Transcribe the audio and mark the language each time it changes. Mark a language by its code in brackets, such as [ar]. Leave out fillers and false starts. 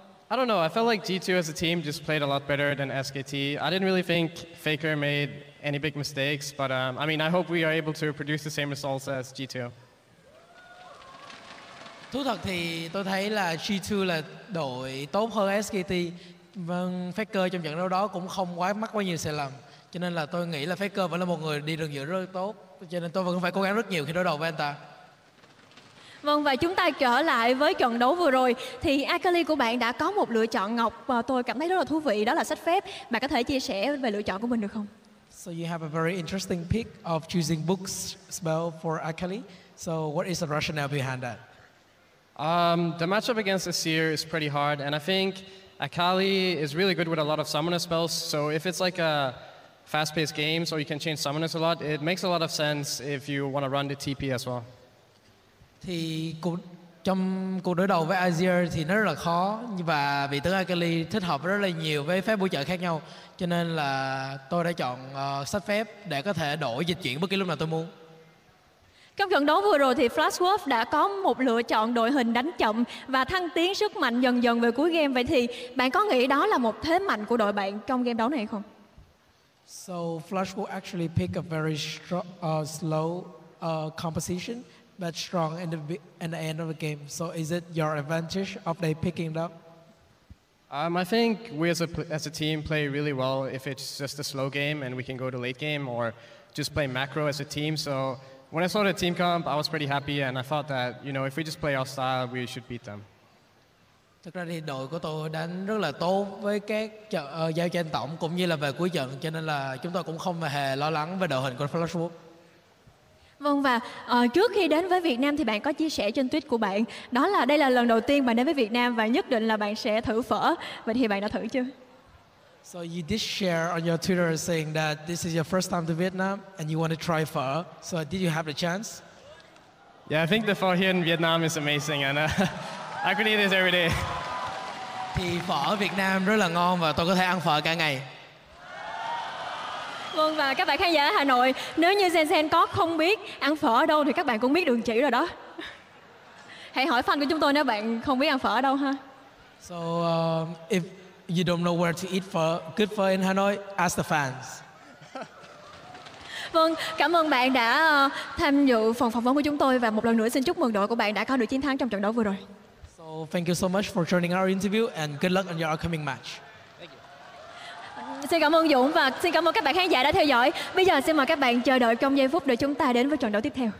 [en] I don't know. I felt like G2 as a team just played a lot better than SKT. I didn't really think Faker made any big mistakes, but I mean, I hope we are able to produce the same results as G2. [vi] Thú thật thì tôi thấy là G2 là đội tốt hơn SKT. Vâng, Faker trong trận đấu đó cũng không quá mắc quá nhiều sai lầm, cho nên là tôi nghĩ là Faker vẫn là một người đi đường giữa rất tốt, cho nên tôi vẫn phải cố gắng rất nhiều khi đối đầu với anh ta. Vâng, và chúng ta trở lại với trận đấu vừa rồi thì Akali của bạn đã có một lựa chọn ngọc và tôi cảm thấy rất là thú vị, đó là sách phép. Bạn có thể chia sẻ về lựa chọn của mình được không? [en] So you have a very interesting pick of choosing books spell for Akali. So what is the rationale behind that? The matchup against Aseer is pretty hard, and I think Akali is really good with a lot of summoner spells. So if it's like a fast-paced game, so you can change summoners a lot, it makes a lot of sense if you want to run the TP as well. [vi] Thì trong cuộc đối đầu với Aseer thì nó rất là khó, và vị tướng Akali thích hợp rất là nhiều với phép bổ trợ khác nhau, cho nên là tôi đã chọn sách phép để có thể đổi dịch chuyển bất kỳ lúc nào tôi muốn. Trong trận đấu vừa rồi thì Flashwolf đã có một lựa chọn đội hình đánh chậm và thăng tiến sức mạnh dần dần về cuối game. Vậy thì bạn có nghĩ đó là một thế mạnh của đội bạn trong game đấu này không? [en] So Flashwolf actually pick a very slow composition but strong in the end of the game. So is it your advantage of they picking it up? I think we as a team play really well if it's just a slow game and we can go to late game or just play macro as a team. So when I saw the team comp, I was pretty happy and I thought that, you know, if we just play our style, we should beat them. [vi] Thực ra thì đội của tôi đánh rất là tốt với các giao tranh tổng cũng như là về cuối trận, cho nên là chúng tôi cũng không hề lo lắng về đội hình của Flashwolf. Vâng, và trước khi đến với Việt Nam thì bạn có chia sẻ trên tweet của bạn đó là đây là lần đầu tiên bạn đến với Việt Nam và nhất định là bạn sẽ thử phở. Vậy thì bạn đã thử chưa? [en] So you did share on your Twitter saying that this is your first time to Vietnam and you want to try pho. So did you have the chance? Yeah, I think the pho here in Vietnam is amazing and I could eat this every day. [vi] Thì pho ở Việt Nam rất là ngon và tôi có thể ăn pho cả ngày. Vâng, và các bạn khán giả ở Hà Nội, nếu như Jensen có không biết ăn pho ở đâu thì các bạn cũng biết đường chỉ rồi đó. Hãy hỏi fan của chúng tôi nếu bạn không biết ăn pho ở đâu ha. [en] So if you don't know where to eat pho, good pho in Hanoi, ask the fans. [vi] Vâng, cảm ơn bạn đã tham dự phần phỏng vấn của chúng tôi và một lần nữa xin chúc mừng đội của bạn đã có được chiến thắng trong trận đấu vừa rồi. [en] So thank you so much for joining our interview and good luck on your upcoming match. Thank you. [vi] Xin cảm ơn Dũng và xin cảm ơn các bạn khán giả đã theo dõi. Bây giờ xin mời các bạn chờ đợi trong giây phút để chúng ta đến với trận đấu tiếp theo.